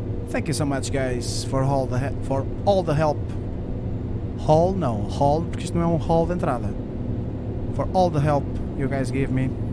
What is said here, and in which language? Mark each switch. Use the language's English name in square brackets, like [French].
[English] Thank you so much, guys, for all the help. [Portuguese] Hall, no, hall, porque isto não é um hall de entrada. [English] For all the help you guys gave me.